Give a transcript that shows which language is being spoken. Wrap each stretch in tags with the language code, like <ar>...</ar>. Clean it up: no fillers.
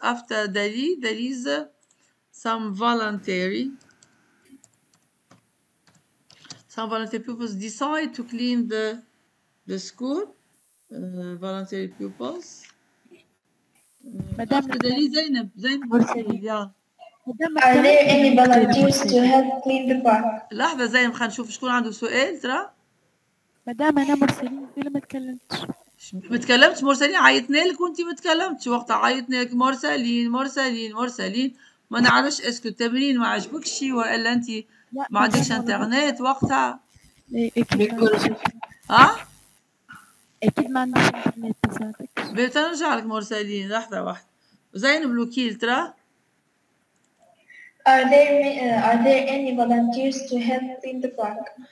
<en>After Dali, there is some voluntary pupils decide to clean the school. Voluntary pupils. Madame, are there any volunteers to help clean the park?</en> <ar>لحظة زينب خلينا نشوف شكون عنده سؤال ترى. مدام أنا مرسلين قبل ما تكلمتش. ما تكلمتش مرسلين عيطنا لك وأنت ما تكلمتش وقتها عيطنا لك مرسلين مرسلين مرسلين. ما نعرفش اسكو التمرين ما عجبكش وإلا أنت ما عندكش إنترنت وقتها. إيه أكيد ما عندكش إنترنت تساعدك. بيت نرجع لك مرسلين لحظة واحدة. زين بلوكيل ترى.</ar> <en>Are there any volunteers to help in the park?</en>